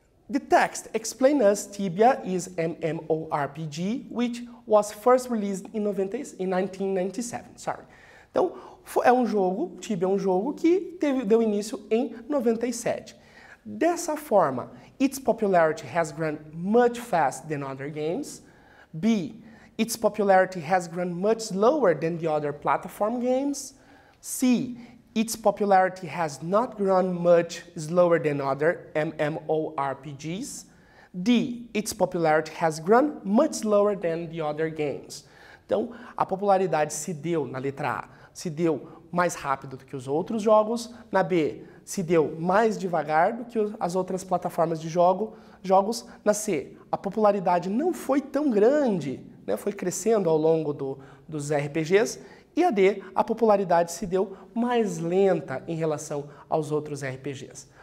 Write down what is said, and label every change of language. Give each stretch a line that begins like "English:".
English: The text explain us Tibia is MMORPG, which was first released in 1997. Sorry.
Portuguese: Então, é um jogo, Tibia é um jogo que deu início em 97. Dessa forma,
English: its popularity has grown much faster than other games. B, its popularity has grown much slower than the other platform games. C, its popularity has not grown much slower than other MMORPGs. D, its popularity has grown much slower than the other games.
Portuguese: Então, a popularidade se deu na letra A, se deu mais rápido do que os outros jogos. Na B, se deu mais devagar do que as outras plataformas de jogos. Na C, a popularidade não foi tão grande, né? Foi crescendo ao longo dos RPGs. E a D, a popularidade se deu mais lenta em relação aos outros RPGs.